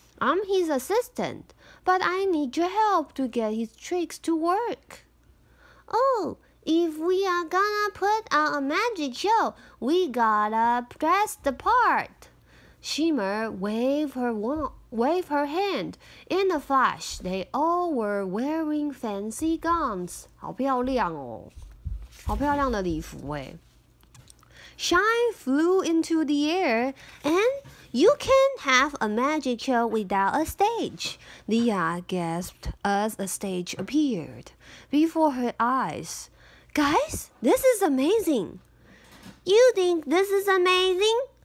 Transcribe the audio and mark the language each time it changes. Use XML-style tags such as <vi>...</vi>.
<en>I'm his assistant, but I need your help to get his tricks to work. Oh, if we are gonna put on a magic show, we gotta dress the part. Shimmer waved her wand. Wave her hand. In a flash, they all were wearing fancy gowns.</en> <zh>好漂亮哦，好漂亮的礼服哎。</zh> <en>Shine flew into the air, and you can't have a magic show without a stage. Leah gasped as a stage appeared before her eyes. Guys, this is amazing. You think this is amazing?</en>